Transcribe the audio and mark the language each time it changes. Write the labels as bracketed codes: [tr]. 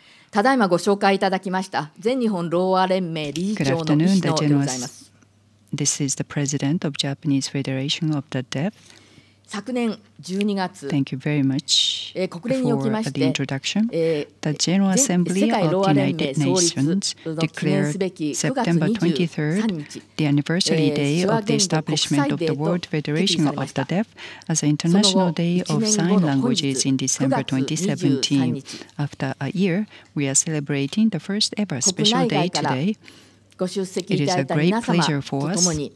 [ja] ただいまご紹介いただきました全日本ろうあ連盟理事長の石野でございます。 [en] This is the president of Japanese Federation of the Deaf. [ja] 昨年12月、 [en] Thank you very much [ja] 国連におきまして、 [en] the introduction. The General Assembly of the United Nations declared September 23rd the anniversary day of the establishment of the World Federation of the Deaf as an international day of sign languages in December 2017. After a year, we are celebrating the first ever special day today. [ja] ご出席いただいた皆様とともに、